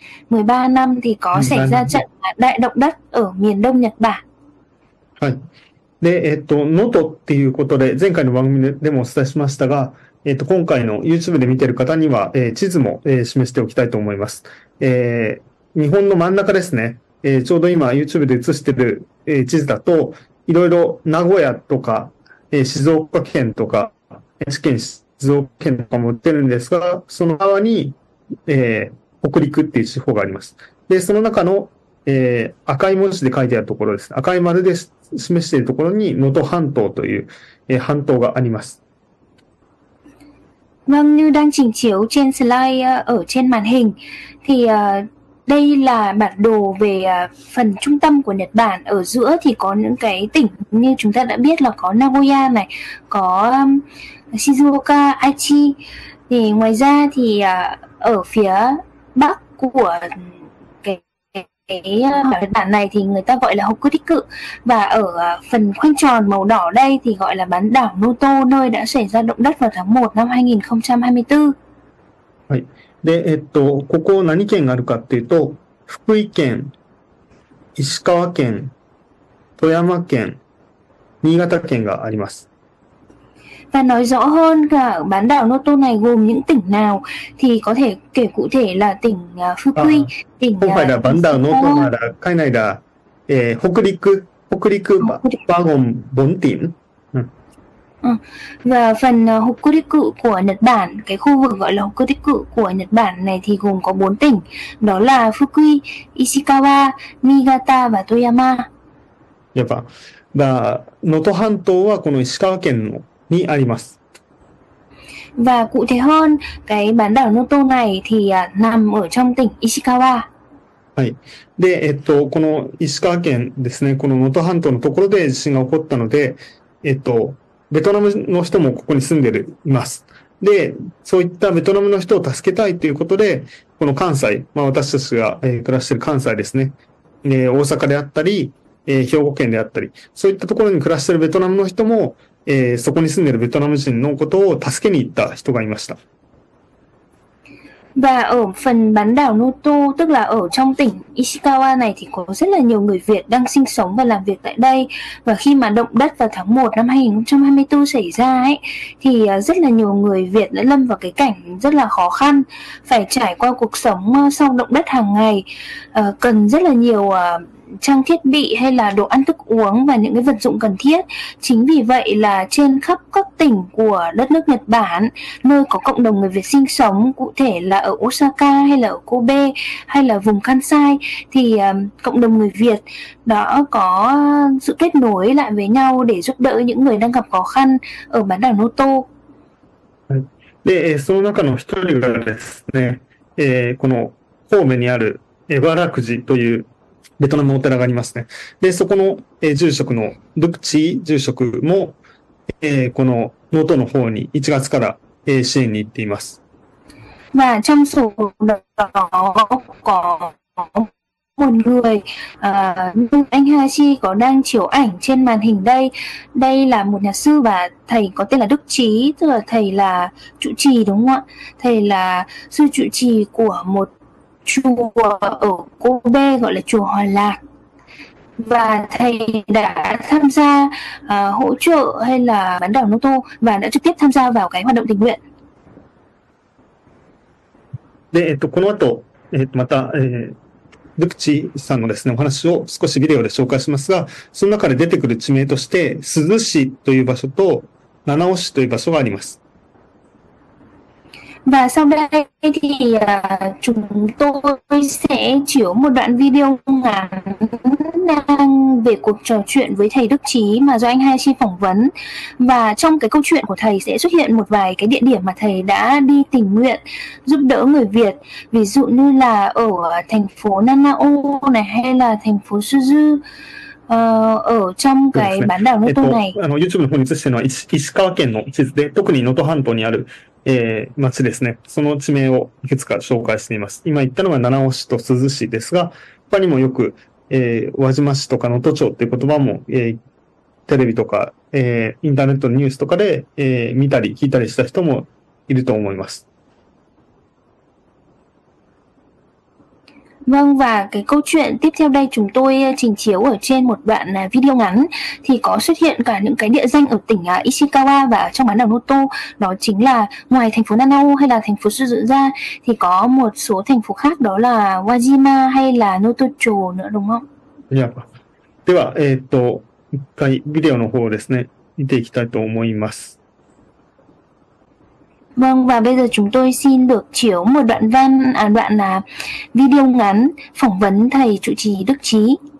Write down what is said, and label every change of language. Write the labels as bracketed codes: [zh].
[vi] 13 năm thì có xảy ra trận đại động đất ở miền đông Nhật Bản. [ja] はい。で、能登っていうことで、前回の番組でもお伝えしましたが、今回の YouTube で見てる方には、地図も、示しておきたいと思います。日本の真ん中ですね。ちょうど今 YouTube で映してる、地図だと、いろいろ名古屋とか、静岡県とか、愛知県、静岡県とかも売ってるんですが、その側に、北陸っていう地方があります。で、その中の、赤い文字で書いてあるところです。赤い丸で示しているところに能登半島という、半島があります。 [vi] Vâng, như đang trình chiếu trên slide ở trên màn hình, thì đây là bản đồ về phần trung tâm của Nhật Bản. Ở giữa thì có những cái tỉnh như chúng ta đã biết là có Nagoya này, có Shizuoka, Aichi. Thì ngoài ra thì ở phía bắc của cái bản này thì người ta gọi là Hokuriku và ở phần khoanh tròn màu đỏ đây thì gọi là bán đảo Noto nơi đã xảy ra động đất vào tháng 1 năm 2024. [ja] はい。で、ここ何県があるかっていうと、福井県、石川県、富山県、新潟県があります。 [vi] Và nói rõ hơn là bán đảo Noto này gồm những tỉnh nào thì có thể kể cụ thể là tỉnh Fukui, tỉnh không phải là bán đảo Noto mà là cái này là Hokuriku bao gồm 4 tỉnh. Và phần Hokuriku của Nhật Bản, cái khu vực gọi là Hokuriku của Nhật Bản này thì gồm có 4 tỉnh, đó là Fukui, Ishikawa, Niigata và Toyama. Dạ vâng. Và Noto Hantou là [ja] この石川県のにあります。 [vi] Và cụ thể hơn, cái bán đảo Noto này thì nằm ở trong tỉnh Ishikawa. [ja] はい。で、この石川県ですね、この能登半島のところで地震が起こったので、ベトナムの人もここに住んでいます。で、そういったベトナムの人を助けたいということで、この関西、まあ私たちが暮らしている関西ですね、大阪であったり、兵庫県であったり、そういったところに暮らしているベトナムの人も、そこに住んでるベトナム人のことを助けに行った人がいました。 [vi] Và ở phần bán đảo Noto, tức là ở trong tỉnh Ishikawa này thì có rất là nhiều người Việt đang sinh sống và làm việc tại đây. Và khi mà động đất vào tháng 1 năm 2024 xảy ra ấy, thì rất là nhiều người Việt đã lâm vào cái cảnh rất là khó khăn, phải trải qua cuộc sống sau động đất hàng ngày, cần rất là nhiều trang thiết bị hay là đồ ăn thức uống và những cái vật dụng cần thiết. Chính vì vậy là trên khắp các tỉnh của đất nước Nhật Bản, nơi có cộng đồng người Việt sinh sống, cụ thể là ở Osaka hay là ở Kobe hay là vùng Kansai, thì cộng đồng người Việt đã có sự kết nối lại với nhau để giúp đỡ những người đang gặp khó khăn ở bán đảo Noto. Để số nào cái một người là [ja] ですね, この神戸にあるエバラクジというベトナムのお寺がありますね。で、そこの、住職のルクチー住職も、この能登の方に1月から支援に行っています。 [vi] và trong số đó có một người như anh Hashi có đang chiếu ảnh trên màn hình đây. Đây là một nhà sư và thầy có tên là Đức Trí, tức là thầy là trụ trì đúng không ạ? Thầy là sư trụ trì của một chùa ở Kobe gọi là chùa Hòa Lạc. Và thầy đã tham gia hỗ trợ hay là bán đảo Noto và đã trực tiếp tham gia vào cái hoạt động tình nguyện. [ja] で、この後、また、ルクチさんのですね、お話を少しビデオで紹介しますが、その中で出てくる地名として、鈴市という場所と、七尾市という場所があります。 [vi] và sau đây thì chúng tôi sẽ chiếu một đoạn video ngắn đang về cuộc trò chuyện với thầy Đức Trí mà do anh Hai Chi phỏng vấn, và trong cái câu chuyện của thầy sẽ xuất hiện một vài cái địa điểm mà thầy đã đi tình nguyện giúp đỡ người Việt, ví dụ như là ở thành phố Nanao này hay là thành phố Suzu ở trong cái bán đảo Noto này. [ja] YouTube の方に映しているのは石川県の地図で、特に能登半島にある町ですね。その地名をいくつか紹介しています。今言ったのは七尾市と鈴市ですが、他にもよく、輪島市とか能登町っていう言葉も、テレビとか、インターネットのニュースとかで、見たり聞いたりした人もいると思います。 [vi] Vâng, và cái câu chuyện tiếp theo đây chúng tôi trình chiếu ở trên một đoạn video ngắn thì có xuất hiện cả những cái địa danh ở tỉnh Ishikawa và ở trong bán đảo Noto, đó chính là ngoài thành phố Nanao hay là thành phố Suzu ra thì có một số thành phố khác đó là Wajima hay là Notocho nữa đúng không? [en] Yeah. [ja] では1回ビデオの方ですね見ていきたいと思います。 [vi] Vâng, và bây giờ chúng tôi xin được chiếu một đoạn văn đoạn video ngắn phỏng vấn thầy trụ trì Đức Trí.